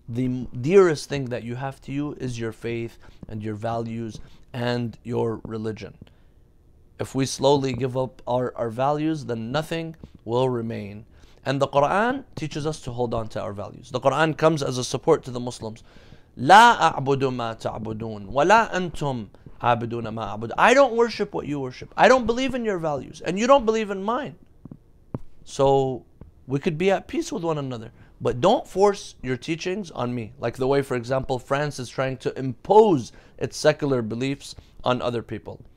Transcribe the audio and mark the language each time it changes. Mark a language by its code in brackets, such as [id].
[en] The dearest thing that you have to you is your faith and your values and your religion. If we slowly give up our values, then nothing will remain. And the Quran teaches us to hold on to our values. The Quran comes as a support to the Muslims. [ar] لا أعبد ما تعبدون ولا أنتم عابدون ما أعبد. [en] I don't worship what you worship. I don't believe in your values. And you don't believe in mine. So we could be at peace with one another. But don't force your teachings on me. Like the way, for example, France is trying to impose its secular beliefs on other people.